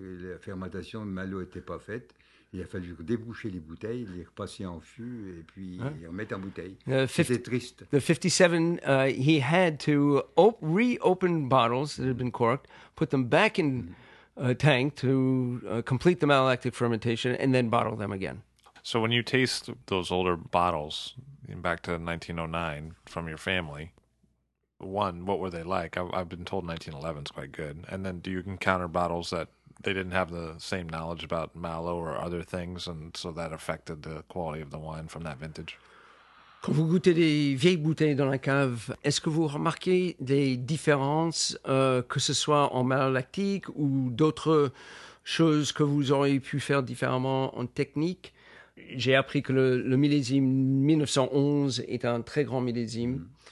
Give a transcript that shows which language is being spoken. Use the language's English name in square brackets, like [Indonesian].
[French] La fermentation de malo n'était pas faite. Il a fallu déboucher les bouteilles, les repasser en fût et puis les remettre en bouteille. C'était triste. [English] The 57, he had to reopen bottles that had been corked, put them back in a tank to complete the malolactic fermentation and then bottle them again. So when you taste those older bottles back to 1909 from your family, one, what were they like? I've been told 1911 is quite good. And then do you encounter bottles that they didn't have the same knowledge about Malo or other things, and so that affected the quality of the wine from that vintage? [French] Quand vous goûtez des vieilles bouteilles dans la cave, est-ce que vous remarquez des différences, que ce soit en malolactique ou d'autres choses que vous auriez pu faire différemment en technique? J'ai appris que le millésime 1911 est un très grand millésime.